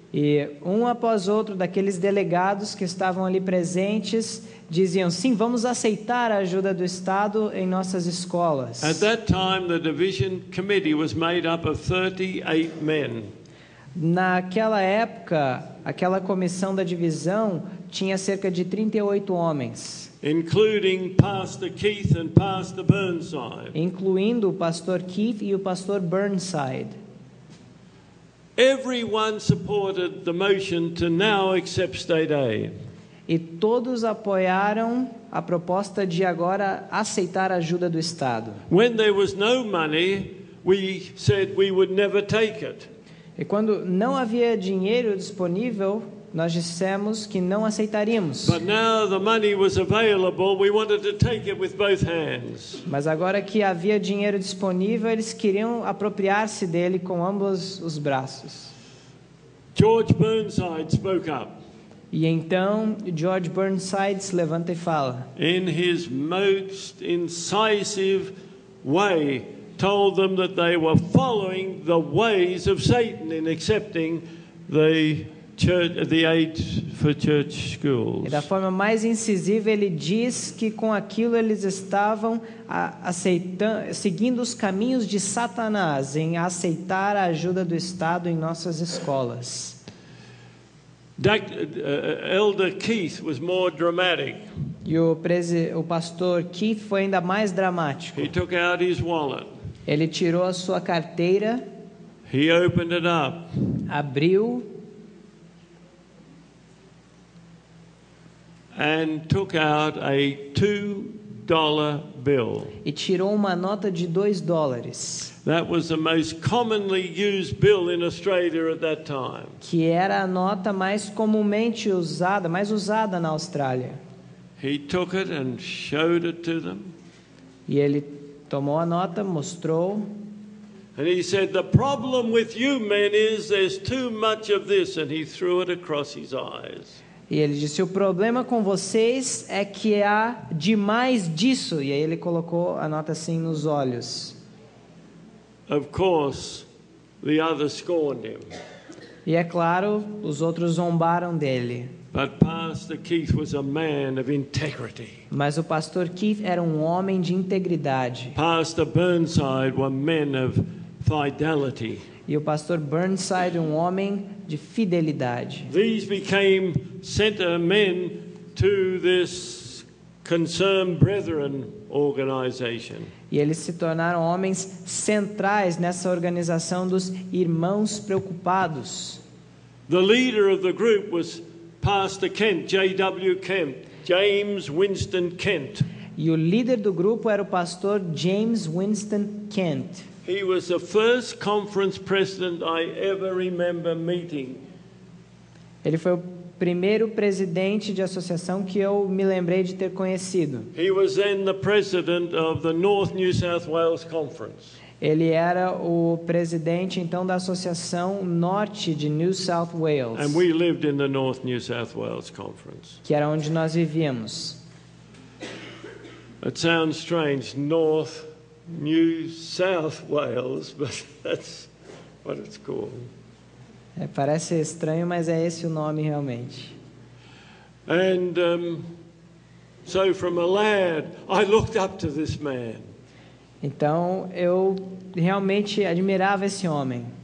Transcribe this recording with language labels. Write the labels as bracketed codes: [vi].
[pt] E um após outro daqueles delegados que estavam ali presentes diziam: "Sim, vamos aceitar a ajuda do Estado em nossas escolas." [en] At that time, the division committee was made up of 38 men. [pt] Naquela época, aquela comissão da divisão tinha cerca de 38 homens, [en] including Pastor Keith and Pastor Burnside. [pt] Incluindo o pastor Keith e o pastor Burnside. [en] Everyone supported the motion to now accept state aid. [pt] E todos apoiaram a proposta de agora aceitar a ajuda do Estado. [en] When there was no money, we said we would never take it. [pt] E quando não havia dinheiro disponível, nós dissemos que não aceitaríamos. [en] But now the money was available, we wanted to take it with both hands. [pt] Mas agora que havia dinheiro disponível, eles queriam apropriar-se dele com ambos os braços. [en] George Burnside spoke up. [pt] E então George Burnside se levanta e fala. [en] In his most incisive way, told them that they were following the ways of Satan in accepting the church, the aid for church schools. [pt] E da forma mais incisiva, ele diz que com aquilo eles estavam aceitando, seguindo os caminhos de Satanás em aceitar a ajuda do Estado em nossas escolas. [en] Elder Keith was more dramatic. [pt] E o pastor Keith foi ainda mais dramático. [en] He took out his wallet. [pt] Ele tirou a sua carteira. [en] He opened it up. [pt] Abriu. [en] And took out a $2 bill. [pt] E tirou uma nota de $2. [en] That was the most commonly used bill in Australia at that time. [pt] Que era a nota mais comumente usada, mais usada na Austrália. [en] He took it and showed it to them. [pt] E ele tomou a nota, mostrou. [en] And he said, "The problem with you men is there's too much of this," and he threw it across his eyes. [pt] E ele disse: "O problema com vocês é que há demais disso." E aí ele colocou a nota assim nos olhos. [en] Of course, the others scorned him. [pt] E é claro, os outros zombaram dele. [en] But Pastor Keith was a man of integrity. [pt] Mas o pastor Keith era um homem de integridade. [en] Pastor Burnside was a man of fidelity. [pt] E o pastor Burnside, um homem de fidelidade. [en] These became center men to this Concerned Brethren organization. [pt] E eles se tornaram homens centrais nessa organização dos Irmãos Preocupados. [en] The leader of the group was Pastor Kent, J.W. Kent, James Winston Kent. [pt] E o líder do grupo era o pastor James Winston Kent. [en] He was the first conference president I ever remember meeting. [pt] Ele foi o primeiro presidente de associação que eu me lembrei de ter conhecido. [en] He was then the president of the North New South Wales Conference. [pt] Ele era o presidente, então, da Associação Norte de New South Wales. [en] And we lived in the North New South Wales Conference. [pt] Que era onde nós vivíamos. [en] It sounds strange, North New South Wales, but that's what it's called. [pt] É, parece estranho, mas é esse o nome realmente. [en] And so from a lad, I looked up to this man. [pt] Então, eu realmente admirava esse homem.